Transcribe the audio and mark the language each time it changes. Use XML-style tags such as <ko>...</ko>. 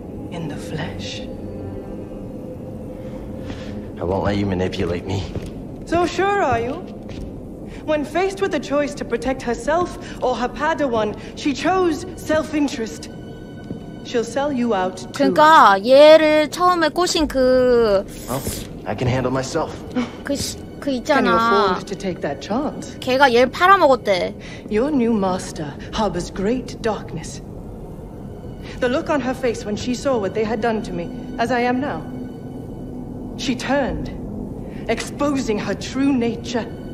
<en>In the flesh. I won't let you manipulate me. So sure are you? When faced with the choice to protect herself or her Padawan, she chose self-interest. She'll sell you out too.</en> <ko>그러니까 얘를 처음에 꼬신 그.</ko> <en>I can handle myself.</en> <ko>그 있잖아.</ko> <en>Can you afford to take that chance?</en> <ko>걔가 얘를 팔아먹었대.</ko> <en>Your new master harbors great darkness. The look on her face when she saw what they had done to me, as I am now. She turned, exposing her true nature.</en>